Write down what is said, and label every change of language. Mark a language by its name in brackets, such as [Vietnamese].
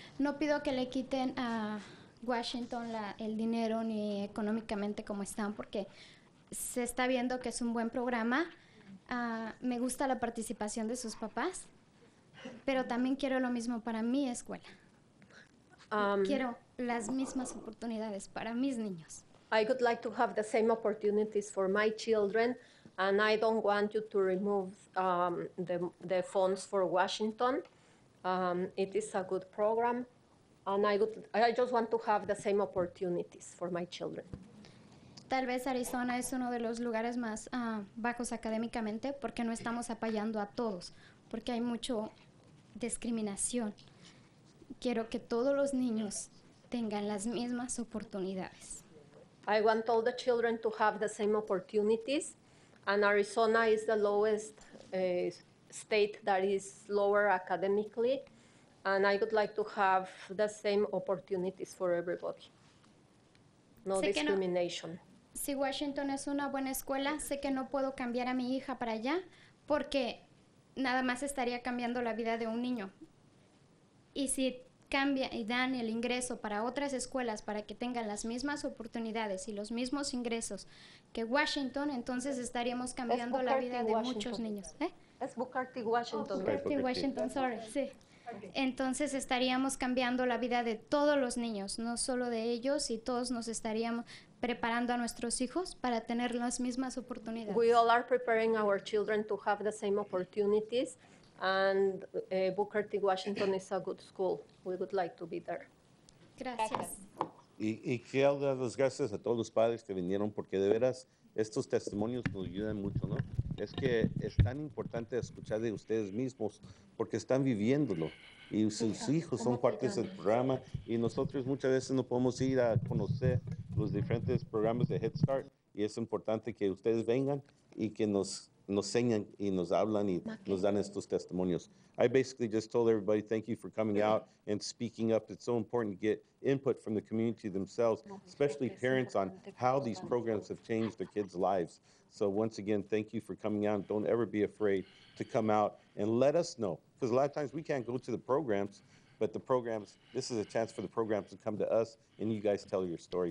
[Spanish] No pido que le quiten a Washington el dinero ni económicamente como están, porque se está viendo que es un buen programa. Me gusta la participación de sus papás, pero también quiero lo mismo para mi escuela. Quiero las mismas oportunidades para mis niños. [English] I would like to have the same opportunities for my children, and I don't want you to remove the funds for Washington. It is a good program, and I just want to have the same opportunities for my children. [Spanish] Tal vez Arizona es uno de los lugares más bajos académicamente porque no estamos apoyando a todos, porque hay mucho discriminación. Quiero que todos los niños tengan las mismas oportunidades. [English] I want all the children to have the same opportunities, and Arizona is the lowest state that is lower academically, and I would like to have the same opportunities for everybody. No discrimination. [Spanish] Si Washington es una buena escuela, sé que no puedo cambiar a mi hija para allá porque nada más estaría cambiando la vida de un niño. Y si cambia y dan el ingreso para otras escuelas para que tengan las mismas oportunidades y los mismos ingresos que Washington, entonces estaríamos cambiando la vida de muchos niños. Es Booker T. Washington. Booker T. Washington, sorry, sí. Entonces estaríamos cambiando la vida de todos los niños, no solo de ellos, y todos nos estaríamos preparando a nuestros hijos para tener las mismas oportunidades. [English] We all are preparing our children to have the same opportunities, and Booker T. Washington is a good school. We would like to be there. [Spanish] Gracias. Y quiero dar las gracias a todos los padres que vinieron, porque de veras estos testimonios nos ayudan mucho, ¿no? Es que es tan importante escuchar de ustedes mismos porque están viviéndolo y sus hijos son parte del programa, y nosotros muchas veces no podemos ir a conocer los diferentes programas de Head Start, y es importante que ustedes vengan y que nos nos enseñan y nos hablan y nos dan estos testimonios. [English] I basically just told everybody, thank you for coming out and speaking up. It's so important to get input from the community themselves, especially parents, on how these programs have changed their kids' lives. So once again, thank you for coming out. Don't ever be afraid to come out and let us know, because a lot of times we can't go to the programs, but the programs, this is a chance for the programs to come to us and you guys tell your story.